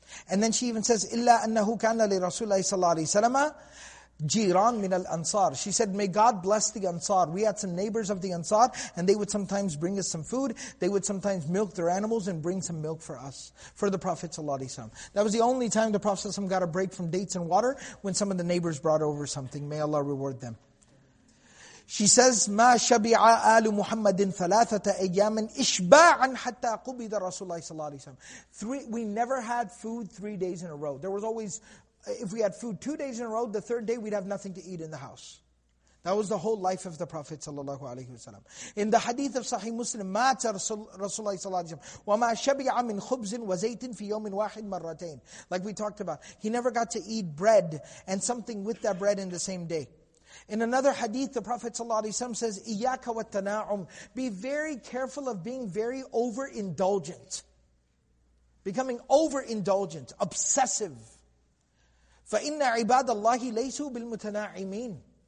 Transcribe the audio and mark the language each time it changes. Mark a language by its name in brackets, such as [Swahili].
[English] And then she even says, [Arabic] إِلَّا أَنَّهُ كَانَ لِرَسُولَهِ صَلَّى اللَّهِ عَلَيْهِ وَسَلَّمَ جِيرَان مِنَ الْأَنصَارِ [English] She said, may God bless the Ansar. We had some neighbors of the Ansar, and they would sometimes bring us some food. They would sometimes milk their animals and bring some milk for us, for the Prophet ﷺ. That was the only time the Prophet ﷺ got a break from dates and water, when some of the neighbors brought over something. May Allah reward them. She says, [Arabic] "ما شبع آل محمد ثلاثة أيام إشباعا حتى قبض رسول الله صلى الله عليه وسلم." [English] We never had food 3 days in a row. There was always, if we had food 2 days in a row, the third day we'd have nothing to eat in the house. That was the whole life of the Prophet sallallahu alaihi wasallam. In the hadith of Sahih Muslim, [Arabic] مات رسول الله صلى الله عليه وسلم وما شبع من خبز وزيت في يوم واحد مرتين. [English] Like we talked about, he never got to eat bread and something with that bread in the same day. In another hadith, the Prophet sallallahu alaihi wasallam says, [Arabic] إِيَّاكَ وَالتَّنَاعُمْ. [English] Be very careful of being very overindulgent. Becoming overindulgent, obsessive. [Arabic] فَإِنَّ عِبَادَ اللَّهِ لَيْسُوا بِالْمُتَنَاعِمِينَ.